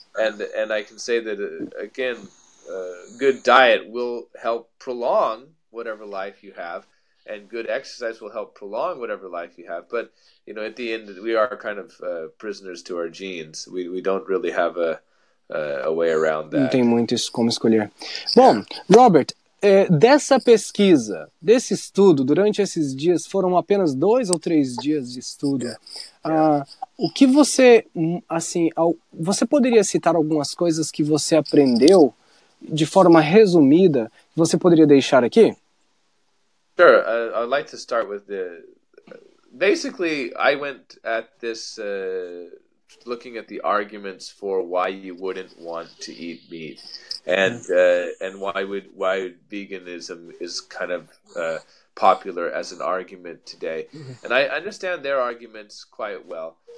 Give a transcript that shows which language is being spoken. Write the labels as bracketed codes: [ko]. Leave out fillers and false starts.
[en] And I can say that again, good diet will help prolong whatever life you have, and good exercise will help prolong whatever life you have. But you know, at the end, we are kind of prisoners to our genes. We don't really have a way around that. [pt] Não tem muito isso como escolher. Bom, Robert, dessa pesquisa, desse estudo, durante esses dias, foram apenas 2 ou 3 dias de estudo. O que você, assim, você poderia citar algumas coisas que você aprendeu de forma resumida, que você poderia deixar aqui? [en] Sure, I'd like to start with the... Basically, I went at this... looking at the arguments for why you wouldn't want to eat meat, and why veganism is kind of popular as an argument today, and I understand their arguments quite well,